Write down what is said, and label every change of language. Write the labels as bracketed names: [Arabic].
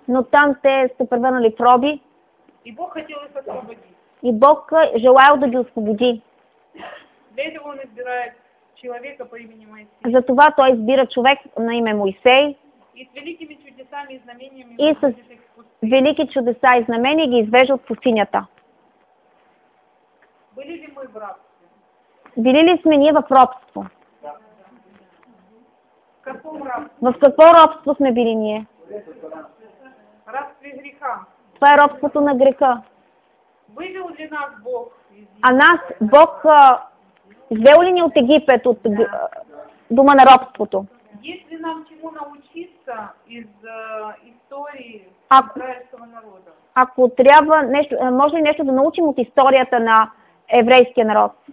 [Bulgarian] Но там те се превърнали в роби. [Russian] И Бог хотел их освободить. [Bulgarian] И Бог желал да ги освободи. [Russian] Для этого он избирает человека по имени Моисей. [Bulgarian] Затова той избира човек на име Моисей. [Russian] И с великими чудесами и знамениями и с [Bulgarian] велики чудеса и знамения ги извежда от пустинята. [Russian] Были ли мы в рабстве? [Bulgarian] Били ли сме ние в робство? Да. В какво робство сме били ние? [Russian] Рабство греха. [Bulgarian] Това е робството на греха. [Russian] Вывел ли нас Бог [Bulgarian] из... А нас Бог взел ли ни от Египет, от дома на робството? [Russian] Есть ли нам чему научиться из истории израильского народа? [Bulgarian] Ако трябва нещо, може ли нещо да научим от историята на еврейския народ?